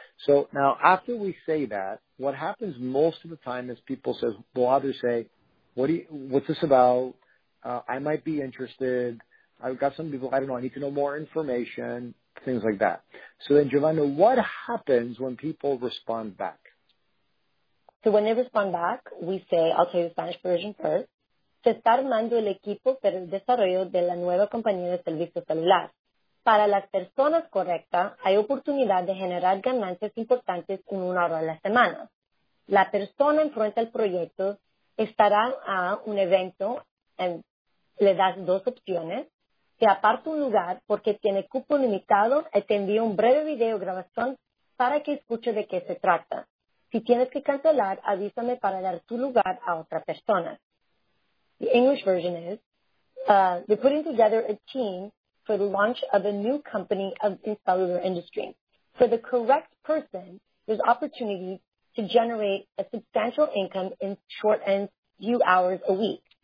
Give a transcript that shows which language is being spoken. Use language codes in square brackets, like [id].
[en] So now after we say that, what happens most of the time is people say, well, either say, what's this about? I might be interested. I've got some people, I don't know, I need to know more information, things like that. So then, Giovanna, what happens when people respond back? So when they respond back, we say, I'll tell you the Spanish version first. [es] Se está armando el equipo para el desarrollo de la nueva compañía de servicios celulares. Para las personas correctas, hay oportunidad de generar ganancias importantes en una hora a la semana. La persona enfrente al proyecto estará a un evento, le das dos opciones, te aparta un lugar porque tiene cupo limitado y te envía un breve video grabación para que escuche de qué se trata. Si tienes que cancelar, avísame para dar tu lugar a otra persona. [en] The English version is, we're putting together a team for the launch of a new company of the cellular industry. For the correct person, there's opportunity to generate a substantial income in short and few hours a week.